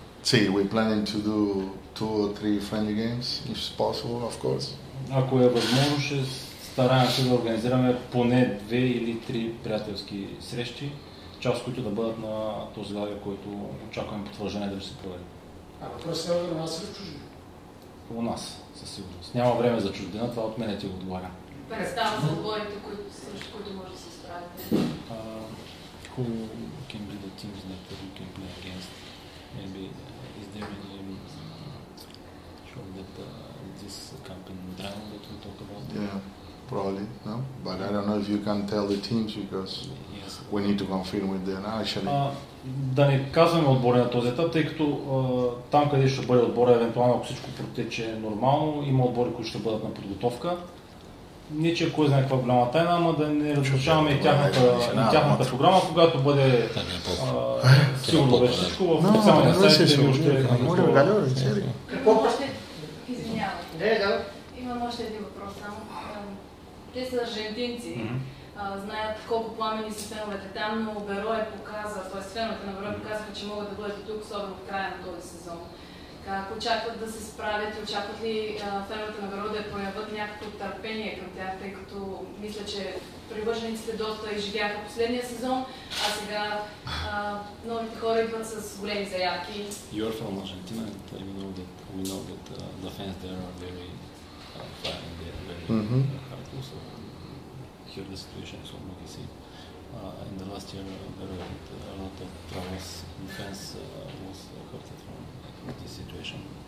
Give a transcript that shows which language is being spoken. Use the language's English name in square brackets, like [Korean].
[Spanish] Sí, [English] we're planning to do two or three friendly games, if it's possible, of course. [Bulgarian] Ако е възможно, ще стараем се да организираме поне две или три приятелски срещи, част които да бъдат на този лагер, който очакваме потвърждение да се проведе. А въпросът е на нас или в чужбина? У нас, със сигурност. Няма време за чужбина, това от мен ти го отговарям. Представа за отборите, срещу които може да се справите. [English] Who can be the teams that you can play against? Maybe is there any show that this campaign drama that we talk about? Yeah, probably, no? But I don't know if you can tell the teams because yes. We need to confirm with them actually. [Bulgarian] Да не казваме отбори на този етап, тъй като там къде ще бъде отбора, евентуално ако всичко протече нормално, има отбори, които ще бъдат на подготовка. Не че кой знае каква голяма тайна, ама да не разрушаваме и тяхната програма, когато бъде сигурно вече всичко в официалния сайт. Какво още? Извинявайте. Имам още един въпрос само. Вие сте аржентинци. Знаят колко пламени са феновете там, но Берое показва, т.е. феновете на Берое показва, че могат да бъдат и тук, особено в края на този сезон. Как очакват да се справят и очакват ли феновете на Берое да проявят някакво търпение към тях, тъй като мисля, че привържениците доста изживяха последния сезон, а сега новите хора идват с големи заявки. [English] You're from Argentina, and we know that, the fans there are very fine, they're very hard to solve. Here the situation is what we see. In the last year, there were a lot of problems. The fans was hurt from this situation.